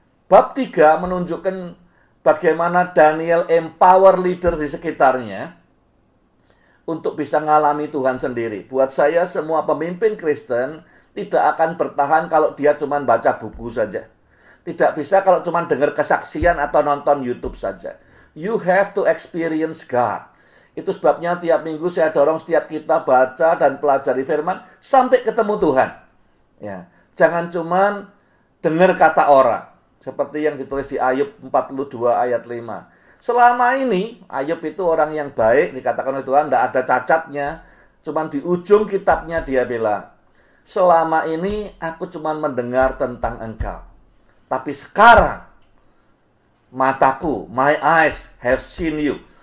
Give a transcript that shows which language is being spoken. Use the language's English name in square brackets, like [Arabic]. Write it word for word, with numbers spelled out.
[Indonesian] Bab tiga menunjukkan bagaimana Daniel empower leader di sekitarnya untuk bisa mengalami Tuhan sendiri. Buat saya, semua pemimpin Kristen tidak akan bertahan kalau dia cuma baca buku saja. Tidak bisa kalau cuma dengar kesaksian atau nonton YouTube saja. [English] You have to experience God. [Indonesian] Itu sebabnya tiap minggu saya dorong setiap kita baca dan pelajari firman sampai ketemu Tuhan. Ya, jangan cuma dengar kata orang. Seperti yang ditulis di Ayub empat puluh dua ayat lima. Selama ini, Ayub itu orang yang baik, dikatakan oleh Tuhan, tidak ada cacatnya. Cuman di ujung kitabnya dia bilang, selama ini aku cuman mendengar tentang engkau. Tapi sekarang, mataku, [English] my eyes have seen you.